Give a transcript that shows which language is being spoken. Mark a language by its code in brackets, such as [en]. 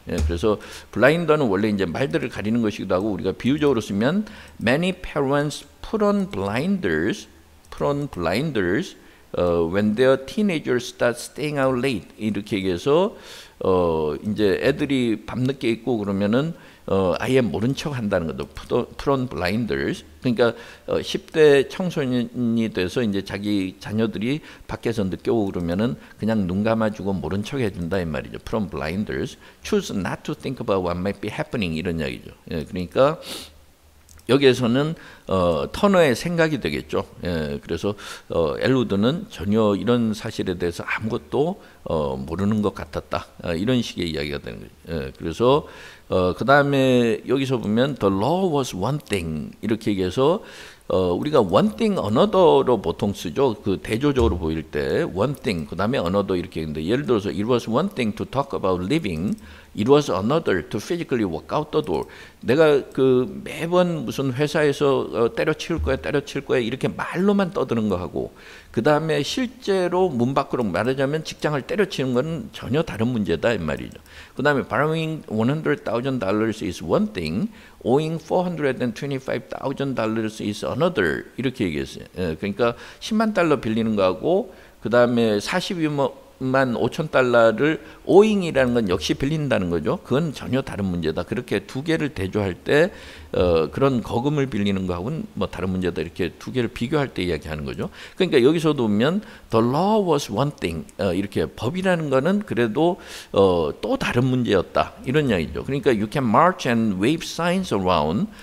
[ko] 예, 그래서 블라인더는 원래 이제 말들을 가리는 것이기도 하고 우리가 비유적으로 쓰면 [en] many parents put on blinders when their teenagers start staying out late [ko] 이렇게 얘기해서 이제 애들이 밤늦게 있고 그러면은 아예 모른 척 한다는 것도 프론 블라인더스. 그러니까 10대 청소년이 돼서 이제 자기 자녀들이 밖에서 느껴오고 그러면은 그냥 눈 감아주고 모른 척 해준다 이 말이죠. 프론 블라인더스. [en] Choose not to think about what might be happening [ko] 이런 이야기죠. 예, 그러니까 여기에서는 터너의 생각이 되겠죠. 예, 그래서 엘루드는 전혀 이런 사실에 대해서 아무것도 모르는 것 같았다. 이런 식의 이야기가 되는 거죠. 예, 그래서 그 다음에 여기서 보면 [en] The law was one thing [ko] 이렇게 얘기해서 우리가 one thing another로 보통 쓰죠. 그 대조적으로 보일 때 one thing 그 다음에 another 이렇게 얘기했는데 예를 들어서 [en] It was one thing to talk about living. It was another to physically walk out the door. [ko] 내가 그 매번 무슨 회사에서 때려치울 거야, 때려칠 거야 이렇게 말로만 떠드는 거 하고 그 다음에 실제로 문 밖으로 말하자면 직장을 때려치는 건 전혀 다른 문제다 이 말이죠. 그 다음에 [en] borrowing $100,000 is one thing, owing $425,000 is another [ko] 이렇게 얘기했어요. 그러니까 10만 달러 빌리는 거 하고 그 다음에 42만 5만 5천 달러를 오잉이라는 건 역시 빌린다는 거죠. 그건 전혀 다른 문제다. 그렇게 두 개를 대조할 때 그런 거금을 빌리는 거하고는 뭐 다른 문제다. 이렇게 두 개를 비교할 때 이야기하는 거죠. 그러니까 여기서도 보면 [en] the law was one thing. [ko] 이렇게 법이라는 거는 그래도 또 다른 문제였다. 이런 이야기죠. 그러니까 [en] you can march and wave signs around.